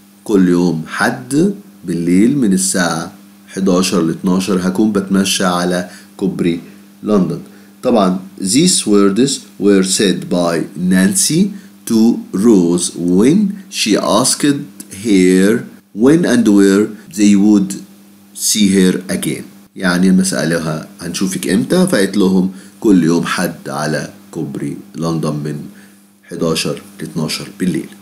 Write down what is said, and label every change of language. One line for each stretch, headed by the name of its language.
Arabic: كل يوم حد بالليل من الساعة 11 ل 12 هكون بتمشى على كوبري لندن. طبعا
English: these words were said by Nancy to Rose when she asked her when and where they would see her again.
Arabic: يعني لما سألها هنشوفك امتى, فقالت لهم كل يوم حد على كوبري لندن من 11 ل 12 بالليل.